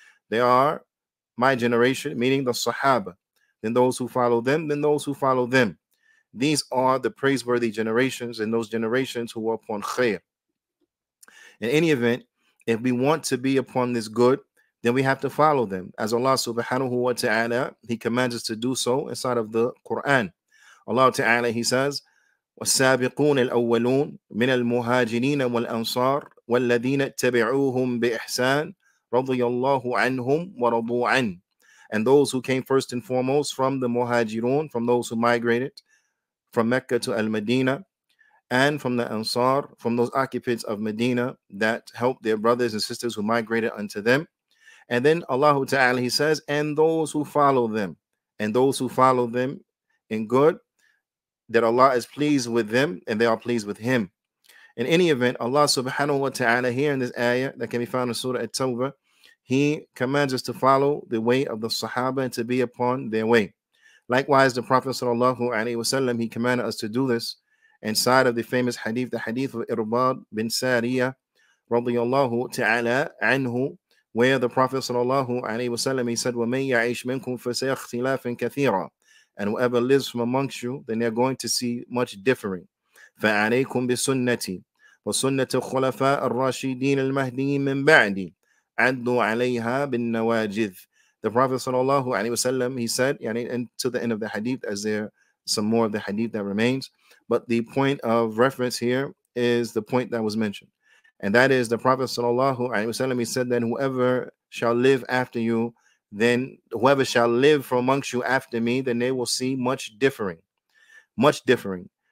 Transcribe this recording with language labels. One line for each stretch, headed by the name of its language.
English: They are my generation, meaning the Sahaba. Then those who follow them, then those who follow them. These are the praiseworthy generations and those generations who are upon khair. In any event, if we want to be upon this good, then we have to follow them. As Allah subhanahu wa ta'ala, he commands us to do so inside of the Quran. Allah ta'ala, he says,
Arabic: وَالسَّابِقُونَ الْأَوَّلُونَ مِنَ الْمُهَاجِنِينَ وَالْأَنصَارِ وَالَّذِينَ اتَّبِعُوهُمْ بِإِحْسَانِ رَضِيَ اللَّهُ عَنْهُمْ وَرَضُوا عَنْهُ.
English: And those who came first and foremost from the Muhajirun, from those who migrated from Mecca to Al-Madinah, and from the Ansar, from those occupants of Medina that helped their brothers and sisters who migrated unto them. And then Allah Ta'ala, he says, and those who follow them, and those who follow them in good, that Allah is pleased with them and they are pleased with him. In any event, Allah Subhanahu Wa Ta'ala here in this ayah that can be found in Surah At-Tawbah, he commands us to follow the way of the Sahaba and to be upon their way. Likewise, the Prophet sallallahu alaihi wasallam, he commanded us to do this inside of the famous hadith, the hadith of Irbad bin Sariyah radiyallahu ta'ala anhu, where the Prophet sallallahu alaihi wasallam, he said,
Arabic: وَمَنْ يَعِيشْ مِنْكُمْ فَسَيَخْتِلَافٍ كَثِيرًا.
English: And whoever lives from amongst you, then they're going to see much differing.
Arabic: فَعَلَيْكُمْ بِسُنَّتِي. وسنه الخلفاء الراشدين المهديين من بعدي عدوا عليها بالنواجذ.
English: The Prophet sallallahu alaihi wasallam, he said, yani until the end of the hadith, as there some more of the hadith that remains, but the point of reference here is the point that was mentioned, and that is the Prophet sallallahu alaihi wasallam, he said that whoever shall live after you, then whoever shall live from amongst you after me, then they will see much differing. Much differing.